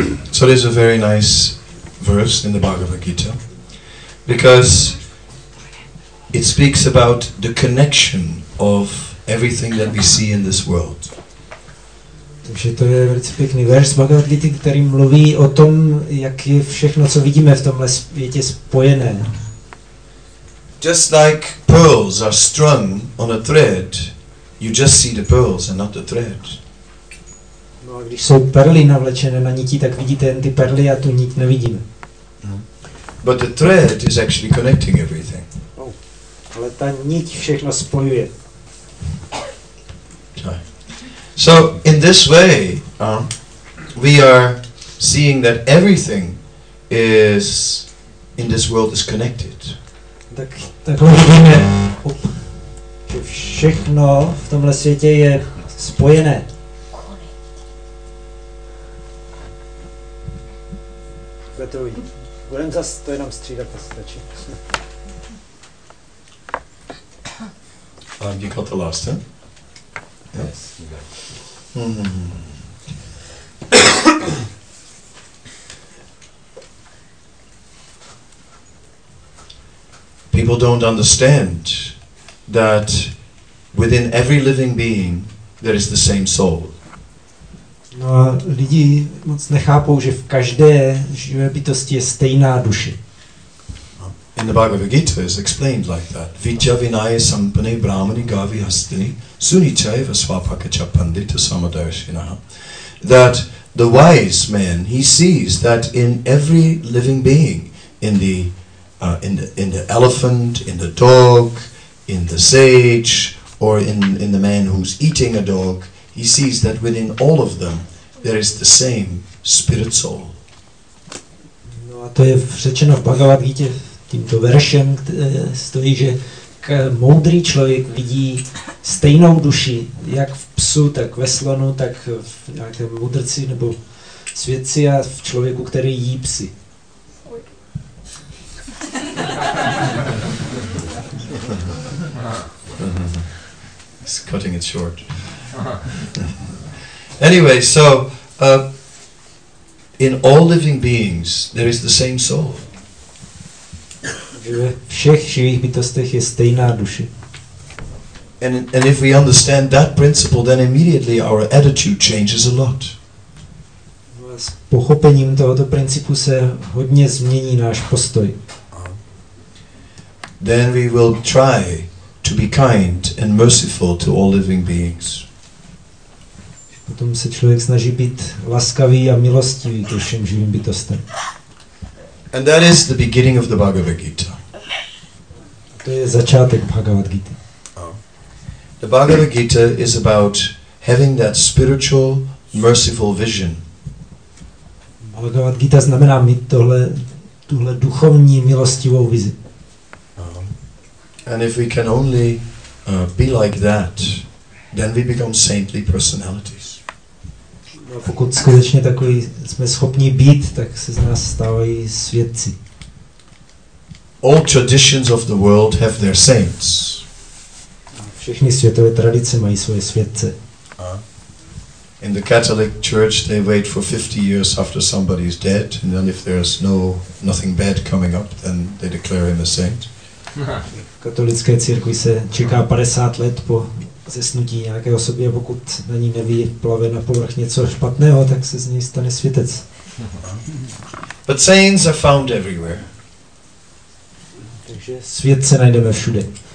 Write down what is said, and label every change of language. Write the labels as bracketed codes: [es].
[en] So this is a very nice verse in the Bhagavad Gita, because it speaks about the connection of everything that we see in this world. [cs] Takže to je velice pěkný verš Bhagavad Gita, který mluví o tom, jak je všechno, co vidíme v tomhle světě, spojené. [en] Just like pearls are strung on a thread, you just see the pearls and not the thread. [cs] No a když jsou perly navlečené na niti, tak vidíte jen ty perly a tu nit nevidíme. [en] But the thread is actually connecting everything. [cs] Oh. Ale ta nit všechno spojuje. [en] So in this way, we are seeing that everything is in this world is connected. [cs] Tak vidíme, že všechno v tomhle světě je spojené. Petrovi, budem zas to jenom střídat, stačí. [en] You got the last one. Yes. People don't understand that within every living being there is the same soul. [cs] No, lidi moc nechápou, že v každé živé bytosti je stejná duše. [en] In the Bhagavad Gita is explained like that. [sa] Vidya vinaya sampane brahmani gavi hastini sunichaiva svapakacha pandita samadarshinaha. [en] That the wise man, he sees that in every living being, in the elephant, in the dog, in the sage, or in the man who's eating a dog, he sees that within all of them there is the same spirit soul. [cs] No a to je řečeno v Bhagavad Gita tímto veršem, stojí, že moudrý člověk vidí stejnou duši, jak v psu, tak ve slonu, tak v nějakém mudrci nebo svědci a v člověku, který jí psy. [en] He's cutting it short. Anyway, so in all living beings there is the same soul. [cs] Ve všech živých bytostech je stejná duše. [en] And if we understand that principle, then immediately our attitude changes a lot. [cs] S pochopením tohoto principu se hodně změní náš postoj. [en] Then we will try to be kind and merciful to all living beings. [cs] Potom se člověk snaží být laskavý a milostivý ke všem živým bytostem. [en] And that is the beginning of the Bhagavad Gita. [cs] To je začátek Bhagavad Gita. [en] The Bhagavad Gita is about having that spiritual, merciful vision. [cs] Bhagavad Gita znamená mít tuhle duchovní milostivou vizi. [en] And if we can only be like that, then we become saintly personalities. [cs] No, pokud skutečně takový jsme schopni být, tak se z nás stávají světci. [en] All traditions of the world have their saints. [cs] Všechny světové tradice mají svoje světce. [en] In the Catholic Church, they wait for 50 years after somebody is dead, and then if there's nothing bad coming up, then they declare him a saint. [cs] V katolické církvi se čeká 50 let po zesnutí nějaké osoby a pokud na ní nevyplave na povrch něco špatného, tak se z ní stane světec. [en] But saints are found everywhere. [cs] Takže světce najdeme všude.